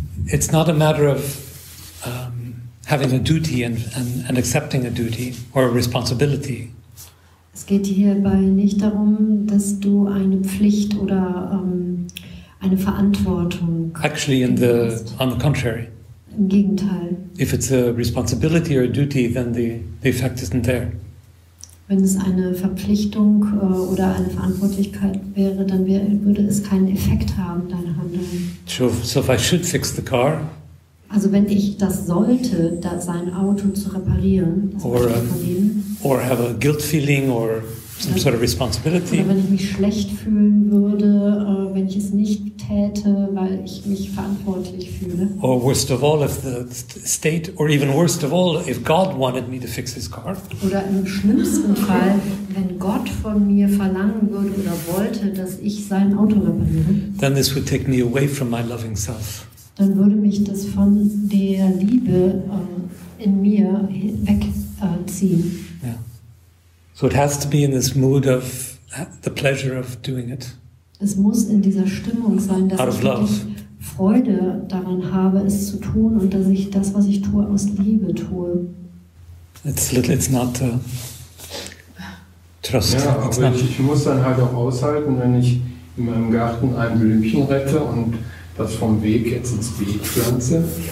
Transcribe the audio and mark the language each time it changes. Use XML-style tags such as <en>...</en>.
<en>It's not a matter of having a duty and accepting a duty or a responsibility.</en> <de>Es geht hierbei nicht darum, dass du eine Pflicht oder eine Verantwortung.</de> <en>Actually, on the contrary.</en> <de>Im Gegenteil.</de> <en>If it's a responsibility or a duty, then the effect isn't there.</en> <de>Wenn es eine Verpflichtung oder eine Verantwortlichkeit wäre, dann würde es keinen Effekt haben, dein Handeln.</de> <en>So if I should fix the car.</en> <de>Also wenn ich das sollte, sein Auto zu reparieren.</de> <en>Or have a guilt feeling or some sort of responsibility.</en> <de>Oder wenn ich mich schlecht fühlen würde, wenn ich es nicht täte, weil ich mich verantwortlich fühle.</de> <en>Or worst of all, if the state, or even worst of all, if God wanted me to fix his car.</en> <de>Oder im schlimmsten Fall, wenn Gott von mir verlangen würde oder wollte, dass ich sein Auto repariere.</de> <en>Then this would take me away from my loving self.</en> <de>Dann würde mich das von der Liebe in mir wegziehen.</de> <en>So it has to be in this mood of the pleasure of doing it.</en> <de>Es muss in dieser Stimmung sein, dass ich wirklich Freude daran habe, es zu tun und dass ich das, was ich tue, aus Liebe tue.</de> <en>It's not trust.</en> <de>Ja, aber ich muss dann halt auch aushalten, wenn ich in meinem Garten ein Blümchen rette und das vom Weg jetzt ins Beet pflanze.</de>